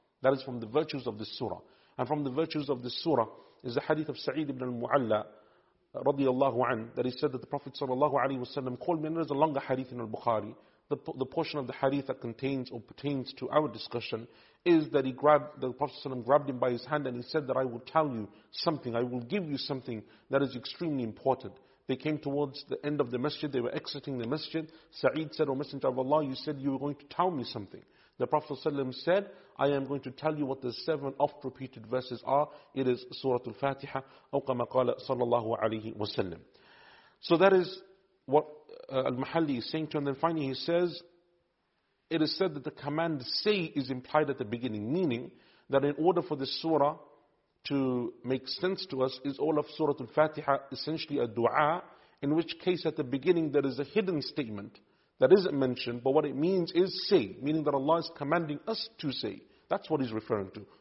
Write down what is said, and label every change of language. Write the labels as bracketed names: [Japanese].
[English] That is from the virtues of this surah. And from the virtues of this surah is the hadith of Sa'id ibn al-Mu'alla radiyallahu an, that he said that the Prophet sallallahu alayhi wasallam called me, and there is a longer hadith in al-Bukhari, the portion of the hadith that contains or pertains to our discussion, is that the Prophet grabbed him by his hand and he said that I will tell you something, I will give you something that is extremely important. They came towards the end of the masjid, they were exiting the masjid. Sa'id said, O Messenger of Allah, you said you were going to tell me something. The Prophet ﷺ said, I am going to tell you what the 7 oft-repeated verses are. It is Surah Al-Fatiha, [Arabic] أو كما قال صلى الله عليه وسلم. [English] So that is what Al-Mahalli is saying to him. Then finally he says, it is said that the command say is implied at the beginning, meaning that in order for this surah to make sense to us, is all of Surah Al-Fatiha essentially a dua, in which case at the beginning there is a hidden statement that isn't mentioned, but what it means is say, meaning that Allah is commanding us to say. That's what he's referring to.